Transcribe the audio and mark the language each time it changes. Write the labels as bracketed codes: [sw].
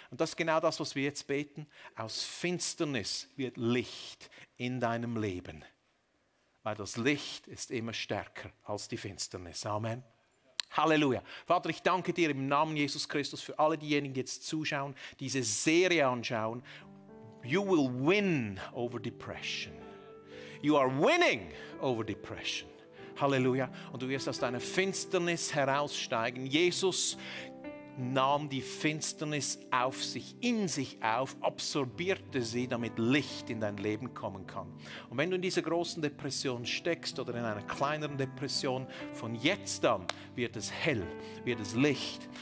[de] Und das ist genau das, was wir jetzt beten. Aus Finsternis wird Licht in deinem Leben. Weil das Licht ist immer stärker als die Finsternis. Amen. Halleluja. Vater, ich danke dir im Namen Jesus Christus für alle diejenigen, die jetzt zuschauen, diese Serie anschauen. [en] You will win over depression. You are winning over depression. [de] Halleluja. Und du wirst aus deiner Finsternis heraussteigen. Jesus nahm die Finsternis auf sich, in sich auf, absorbierte sie, damit Licht in dein Leben kommen kann. Und wenn du in dieser großen Depression steckst oder in einer kleineren Depression, von jetzt an wird es hell, wird es Licht.